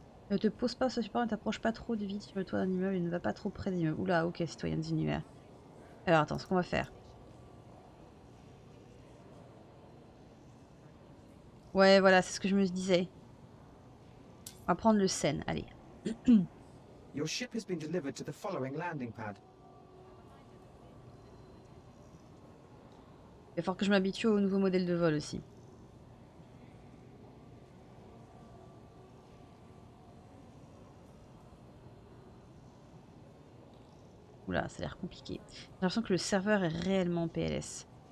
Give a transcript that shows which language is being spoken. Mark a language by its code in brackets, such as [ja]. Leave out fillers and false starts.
[fr] Ne te pose pas sur le support, ne t'approche pas trop du vide sur le toit d'un immeuble et ne va pas trop près de l'immeuble. Oula, ok, citoyenne d'univers. Alors attends, ce qu'on va faire. Ouais, voilà, c'est ce que je me disais. On va prendre le Sen, allez. [en] Your ship has been delivered to the following landing pad. [fr] Il va falloir que je m'habitue au nouveau modèle de vol aussi. Oula, ça a l'air compliqué. J'ai l'impression que le serveur est réellement PLS.